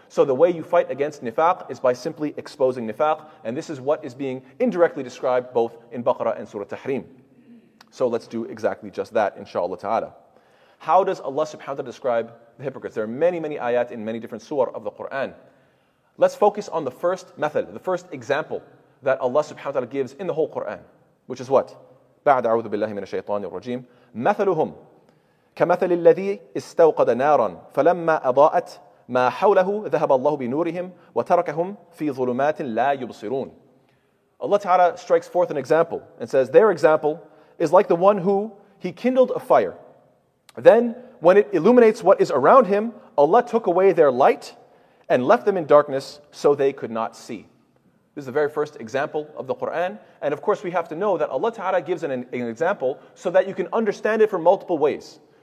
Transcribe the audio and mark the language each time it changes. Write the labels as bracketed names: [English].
[English] So the way you fight against nifaq is by simply exposing nifaq, and this is what is being indirectly described both in Baqarah and Surah Tahrim. So let's do exactly just that, inshallah ta'ala. How does Allah subhanahu wa ta'ala describe the hypocrites? There are many, many ayat in many different surah of the Qur'an. Let's focus on the first method, the first example that Allah subhanahu wa ta'ala gives in the whole Qur'an, which is what? [Arabic] بعد أعوذ بالله من الشيطان الرجيم مثلهم كمثل الذي استوقد نارا فلما أضاءت ما حوله ذهب الله بنورهم وتركهم في ظلمات لا يبصرون. [English] Allah ta'ala strikes forth an example and says, their example is like the one who, he kindled a fire. Then, when it illuminates what is around him, Allah took away their light and left them in darkness so they could not see. This is the very first example of the Qur'an. And of course, we have to know that Allah Ta'ala gives an example so that you can understand it from multiple ways.